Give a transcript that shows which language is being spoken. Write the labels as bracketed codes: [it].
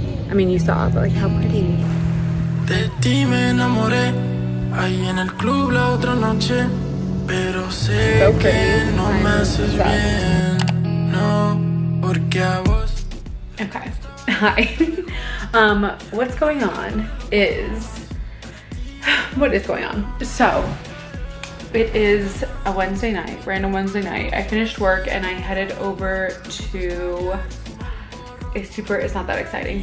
[en] I mean, you saw, but like, how pretty. [es] De ti me enamoré, ahí en el club la otra noche, pero sé que no me haces bien, no, porque a vos. [en] Okay, hi. What's going on is, what is going on? So, it is a Wednesday night, random Wednesday night. I finished work and I headed over to a super, it's not that exciting.